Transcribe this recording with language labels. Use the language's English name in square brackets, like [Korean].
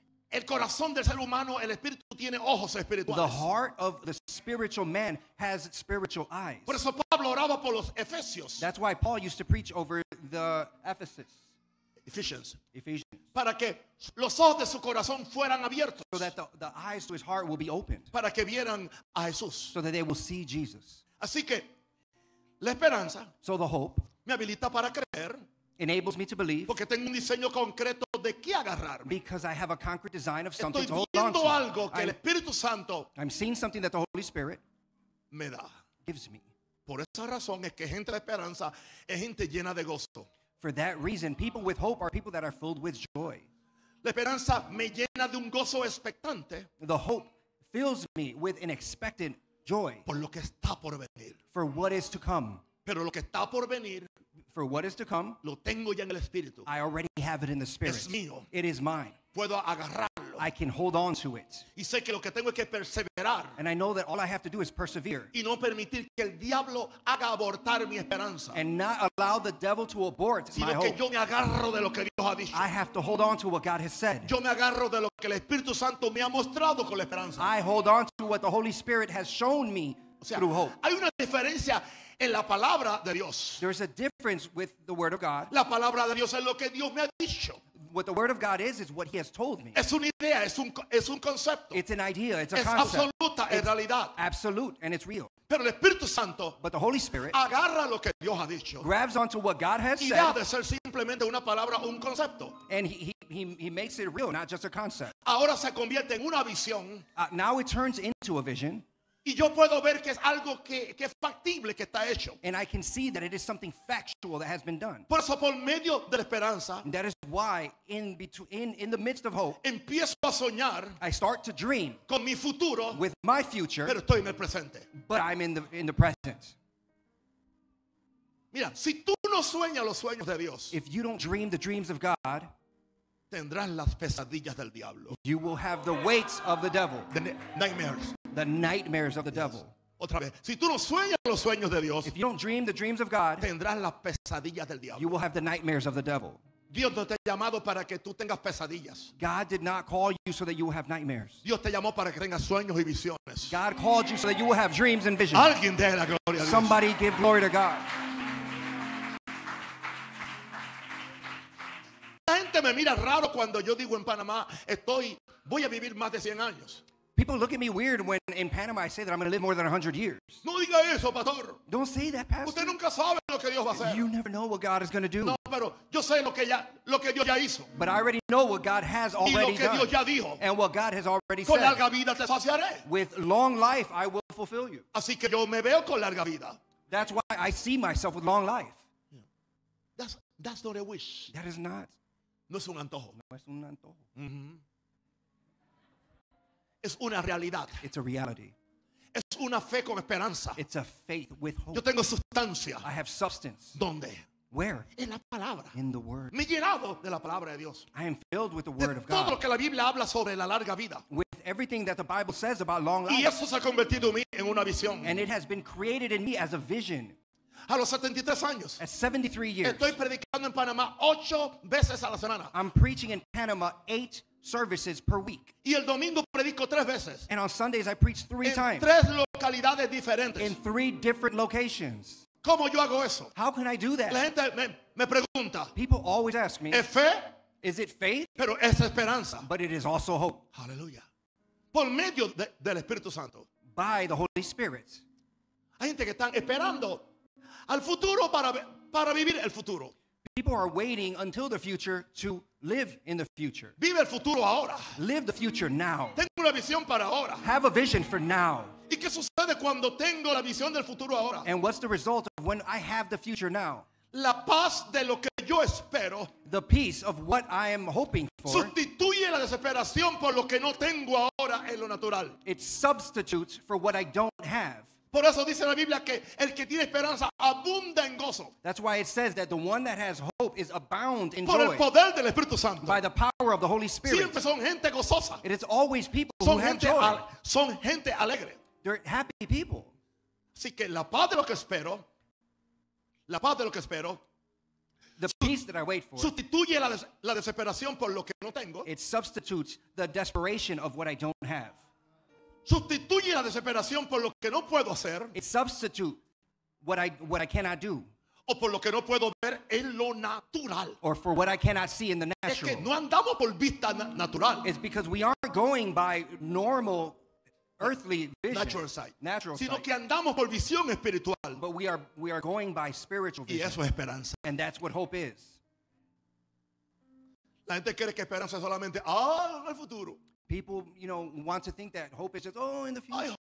[Spanish] El corazón del ser humano, el espíritu, tiene ojos espirituales. [English] The heart of the spiritual man has spiritual eyes. [Spanish] Por eso Pablo oraba por los Efesios. [English] That's why Paul used to preach over the Ephesus. Ephesians. [Spanish] Para que los ojos de su corazón fueran abiertos. [English] So that the eyes to his heart will be opened. [Spanish] Para que vieran a Jesús. [English] So that they will see Jesus. [Spanish] Así que la esperanza. [English] So the hope. [Spanish] Me habilita para creer. [English] Enables me to believe. [Spanish] Porque tengo un diseño concreto de qué agarrarme. [English] Because I have a concrete design of something [Spanish] estoy [English] to hold on to. [Spanish] Algo que el Espíritu Santo [English] I'm seeing something that the Holy Spirit [Spanish] me da. [English] Gives me. [Spanish] Por esa razón es que gente de esperanza es gente llena de gozo. [English] For that reason, people with hope are people that are filled with joy. [Spanish] La esperanza me llena de un gozo expectante. [English] The hope fills me with an expectant joy. [Spanish] Por lo que está por venir. [English] For what is to come. [Spanish] Pero lo que está por venir. [English] For what is to come, [Spanish] lo tengo ya en el espíritu. [English] I already have it in the spirit. [Spanish] Es mío. [English] It is mine. [Spanish] Puedo agarrarlo. [English] I can hold on to it. [Spanish] Y sé que lo que tengo es que perseverar. [English] And I know that all I have to do is persevere. [Spanish] Y no permitir que el diablo haga abortar mi esperanza. [English] And not allow the devil to abort [Spanish] sino [English] my hope. [Spanish] Que yo me agarro de lo que Dios ha dicho. [English] I have to hold on to what God has said. [Spanish] Yo me agarro de lo que el Espíritu Santo me ha mostrado con la esperanza. [English] I hold on to what the Holy Spirit has shown me, [Spanish] o sea, [English] through hope. [Spanish] Hay una diferencia en la palabra de Dios. [English] There's a difference with the word of God. [Spanish] La palabra de Dios es lo que Dios me ha dicho. [English] what the word of God is what he has told me. [Spanish] Es una idea, es un concepto. [English] It's an idea, it's a [Spanish] concept. Es absoluta, es realidad. [English] Absolute, and it's real. [Spanish] Pero el Espíritu Santo, [English] but the Holy Spirit, [Spanish] agarra lo que Dios ha dicho, [English] grabs onto what God has [Spanish] y [English] said, [Spanish] deja de ser simplemente una palabra, un concepto. [English] And he makes it real, not just a concept. [Spanish] Ahora se convierte en una visión. [English] Now it turns into a vision. [Spanish] Y yo puedo ver que es algo que es factible, que está hecho. [English] And I can see that it is something factual that has been done. [Spanish] Por eso, por medio de la esperanza, [English] that is why in the midst of hope, [Spanish] empiezo a soñar, [English] I start to dream, [Spanish] con mi futuro, [English] with my future, [Spanish] pero estoy en el presente. [English] But I'm in the present. [Spanish] Mira, si tú no sueñas los sueños de Dios, [English] if you don't dream the dreams of God, [Spanish] tendrás las pesadillas del diablo. [English] You will have the weights of the devil. The nightmares. The nightmares of the devil. [Spanish] Otra vez. Si tú no sueñas los sueños de Dios, [English] if you don't dream the dreams of God, [Spanish] tendrás las pesadillas del diablo. [English] You will have the nightmares of the devil. [Spanish] Dios no te ha llamado para que tú tengas pesadillas. [English] God did not call you so that you will have nightmares. [Spanish] Dios te llamó para que tengas sueños y visiones. [English] God called you so that you will have dreams and visions. [Spanish] Alguien dé la gloria a Dios. [English] Somebody give glory to God. [Spanish] Me mira raro cuando yo digo en Panamá estoy voy a vivir más de 100 años. [English] People look at me weird when in Panama I say that I'm going to live more than 100 years. [Spanish] No diga eso, pastor. [English] Don't say that, pastor. [Spanish] Usted nunca sabe lo que Dios va a hacer. [English] You never know what God is going to do. [Spanish] No, pero yo sé lo que Dios ya hizo. [English] But I already know what God has already [Spanish] done. Y lo que Dios ya dijo. [English] And what God has already said. [Spanish] Con larga vida te saciaré. [English] With long life I will fulfill you. [Spanish] Así que yo me veo con larga vida. [English] That's why I see myself with long life. That's not a wish. That is not. [Spanish] No es un antojo. No es un antojo. Mm-hmm. Es una realidad. [English] It's a reality. [Spanish] Es una fe con esperanza. [English] It's a faith with hope. [Spanish] Yo tengo sustancia. [English] I have substance. [Spanish] ¿Dónde? [English] Where? [Spanish] En la palabra. [English] In the word. [Spanish] Me he llenado de la palabra de Dios. [English] I am filled with the word [Spanish] de [English] of God. [Spanish] Todo lo que la Biblia habla sobre la larga vida. [English] With everything that the Bible says about long life. [Spanish] Y eso se ha convertido en una visión. [English] And it has been created in me as a vision. [Spanish] A los 73 años. [English] At 73 years. [Spanish] Estoy predicando en Panamá 8 veces a la semana. [English] I'm preaching in Panama 8 services per week. [Spanish] Y el domingo predico 3 veces. [English] And on Sundays I preach 3 times. [Spanish] En 3 localidades diferentes. [English] In 3 different locations. [Spanish] ¿Cómo yo hago eso? [English] How can I do that? [Spanish] La gente me pregunta. [English] People always ask me. [Spanish] ¿Es fe? [English] Is it faith? [Spanish] Pero es esperanza. [English] But it is also hope. [Spanish] Hallelujah. Por medio del Espíritu Santo. [English] By the Holy Spirit. [Spanish] Hay gente que están esperando al futuro para vivir el futuro. [English] People are waiting until the future to live in the future. [Spanish] Vive el futuro ahora. [English] Live the future now. [Spanish] Tengo una visión para ahora. [English] Have a vision for now. [Spanish] ¿Y qué sucede cuando tengo la visión del futuro ahora? [English] And what's the result of when I have the future now? [Spanish] La paz de lo que yo espero. [English] The peace of what I am hoping for. [Spanish] Sustituye la desesperación por lo que no tengo ahora en lo natural. [English] It substitutes for what I don't have. [Spanish] Por eso dice la Biblia que el que tiene esperanza abunda en gozo. [English] That's why it says that the one that has hope is abound in [Spanish] por [English] joy. [Spanish] Por el poder del Espíritu Santo. [English] By the power of the Holy Spirit. [Spanish] Siempre son gente gozosa. [English] It is always people [Spanish] son [English] who [Spanish] gente [English] have joy. [Spanish] Son gente alegre. [English] They're happy people. [Spanish] Así que la paz de lo que espero, la paz de lo que espero, [English] the peace that I wait for, [Spanish] sustituye la desesperación por lo que no tengo. [English] It substitutes the desperation of what I don't have. [Spanish] Sustituye la desesperación por lo que no puedo hacer. [English] It substitute what I cannot do. [Spanish] O por lo que no puedo ver en lo natural. [English] Or for what I cannot see in the natural. [Spanish] Es que no andamos por vista natural. [English] It's because we aren't going by normal earthly vision. Natural sight. Natural [Spanish] sino [English] sight. [Spanish] Que andamos por visión espiritual. [English] But we are going by spiritual vision. [Spanish] Y eso es esperanza. [English] And that's what hope is. [Spanish] La gente cree que esperanza es solamente en el futuro. [English] People, you know, want to think that hope is just, in the future.